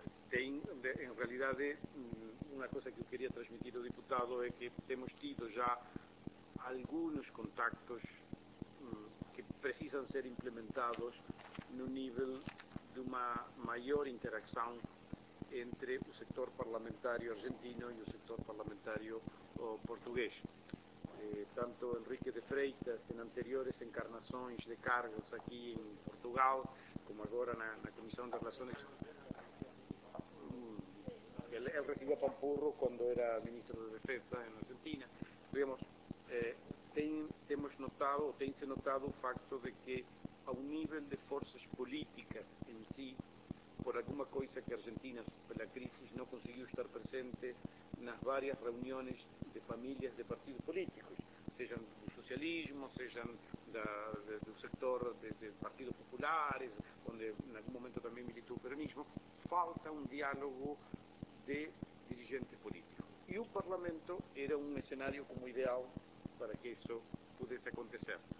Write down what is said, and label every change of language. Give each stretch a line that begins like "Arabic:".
Spanish: En realidad, una cosa que quería transmitir al diputado es que hemos tenido ya algunos contactos que precisan ser implementados en un nivel de una mayor interacción entre el sector parlamentario argentino y el sector parlamentario portugués. Tanto Enrique de Freitas en anteriores encarnaciones de cargos aquí en Portugal, como ahora en la Comisión de Relaciones. Él recibió a Pampurro cuando era ministro de Defensa en Argentina.
Portuguese: Digamos, tem-se notado o facto de que ao nível de forças políticas em si, por alguma coisa que a Argentina, pela crise, não conseguiu estar presente nas várias reuniões de famílias de partidos políticos, sejam do socialismo, sejam
Spanish: de un sector del Partido Popular, donde en algún momento también militó el peronismo, falta un diálogo de dirigentes políticos. Y un Parlamento era un escenario como ideal para que eso pudiese acontecer.